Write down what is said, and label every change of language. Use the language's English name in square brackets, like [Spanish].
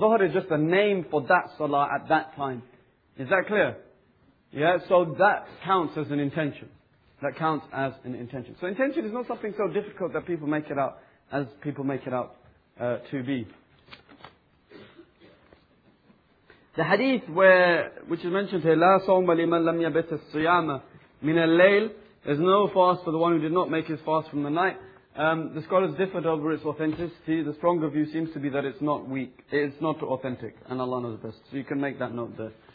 [English] Dhuhr is just a name for that salah at that time. Is that clear? Yeah, so that counts as an intention. That counts as an intention. So intention is not something so difficult that people make it out as people make it out to be. The hadith which is mentioned here, [Arabic] لَا صَوْمَ لِمَنْ لَمْ يَبِتَ الصِّيَامَ مِنَ اللَّيْلِ. [English] There's no fast for the one who did not make his fast from the night. The scholars differed over its authenticity. The stronger view seems to be that it's not weak. It's not authentic. And Allah knows best. So you can make that note there.